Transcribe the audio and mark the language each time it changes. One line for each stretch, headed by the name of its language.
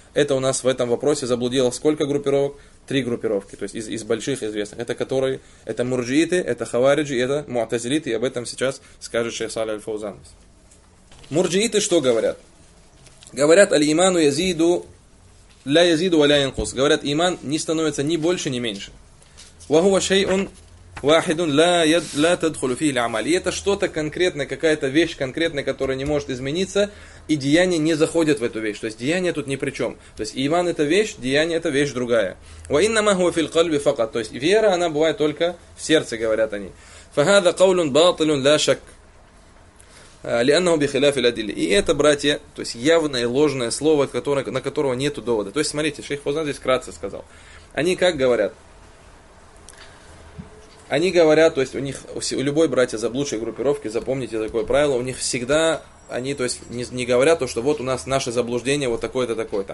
Russian: Это у нас в этом вопросе заблудило сколько группировок? Три группировки, то есть из больших известных. Это которые? Это мурджииты, это хавариджи, это муатазилиты, и об этом сейчас скажет шейх Салих аль-Фаузан. Мурджииты что говорят? Говорят,
Arabic: аль-иману язиду, ля язиду ва ля янкус.
Russian: Говорят, иман не становится ни больше, ни меньше.
Arabic: Ва хува шейун واحدٌ لا يد لا تدخل فيه العمل.
Russian: И это что-то конкретное, какая-то вещь конкретная, которая не может измениться, и деяния не заходят в эту вещь. То есть деяния тут ни при чем. То есть иман — это вещь, деяние — это вещь другая.
Arabic: وإنما هو في القلب فقط.
Russian: То есть вера, она бывает только в сердце, говорят они.
Arabic: فهذا قول باطل لا شك لأنه بخلاف الأدلة.
Russian: И это, братья, то есть явное ложное слово, на которого нету довода. То есть смотрите, шейх Фаузан здесь кратко сказал. Они как говорят? Они говорят, то есть у них, у любой братья заблудшей группировки, запомните такое правило, у них всегда, они, то есть не говорят то, что вот у нас наше заблуждение вот такое-то, такое-то.